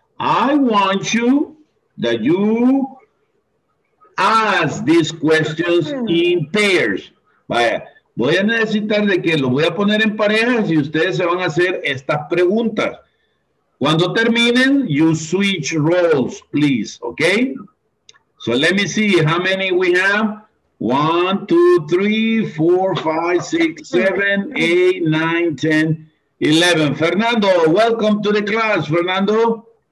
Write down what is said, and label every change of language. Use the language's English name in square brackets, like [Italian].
[English] I want you that you ask these questions in pairs. [Spanish] Vaya, voy a necesitar de que lo voy a poner en parejas y ustedes se van a hacer estas preguntas. Cuando terminen, [English] you switch roles, please, okay? So let me see how many we have. 1, 2, 3, 4, 5, 6, 7, 8, 9, 10, 11. Fernando, welcome to the class, Fernando.